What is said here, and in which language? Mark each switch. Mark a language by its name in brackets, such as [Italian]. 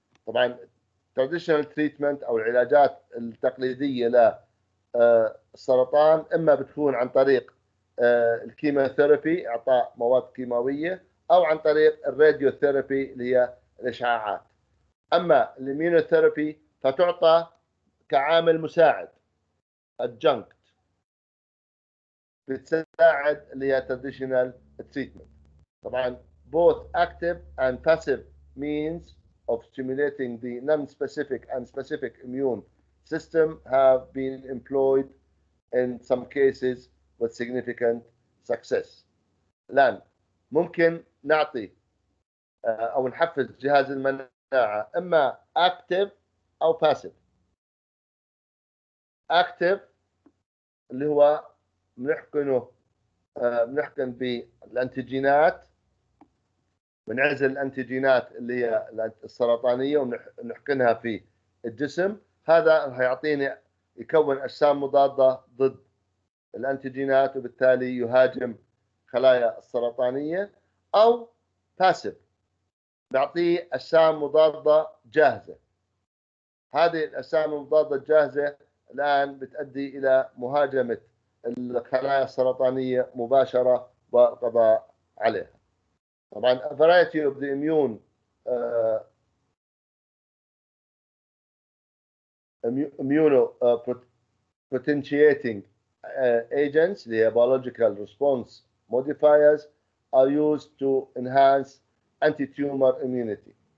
[Arabic] طبعا [English] traditional treatment [Arabic] أو العلاجات التقليدية للسرطان إما بتكون عن طريق الكيموثيرابي إعطاء مواد كيماوية أو عن طريق الراديوثيرابي اللي هي الإشعاعات. أما الإميونوثيرابي فتعطى كعامل مساعد adjunct بتساعد اللي هي [English] traditional treatment. طبعا both active and passive means of stimulating the non-specific and specific immune system have been employed in some cases with significant success. [Arabic] الآن ممكن نعطي أو نحفز جهاز المناعة إما active أو passive. active اللي هو بنحقن بالأنتيجينات بنعزل الأنتيجينات اللي هي السرطانية ونحقنها في الجسم، هذا هيعطيني يكون أجسام مضادة ضد الأنتيجينات وبالتالي يهاجم خلايا السرطانية. أو باسيف بعطيه أجسام مضادة جاهزة، هذه الأجسام المضادة الجاهزة الآن بتؤدي إلى مهاجمة الخلايا السرطانية مباشرة والقضاء عليها. [English] طبعا a variety of the immunopotentiating agents, the biological response modifiers, are used to enhance anti-tumor immunity.